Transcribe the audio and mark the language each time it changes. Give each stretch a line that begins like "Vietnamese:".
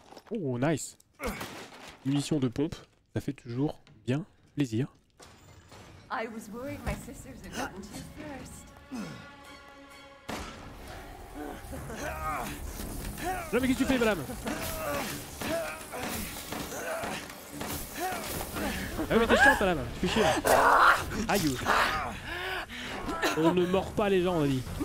French: Oh, nice. Munition de pompe, ça fait toujours bien plaisir.
English: I was worried my sisters had gotten to you first.
French: Non, mais qu'est-ce que tu fais, madame? Ah mais t'es chiante, madame, tu fais chier. Aïe. On ne mord pas les gens, on a dit.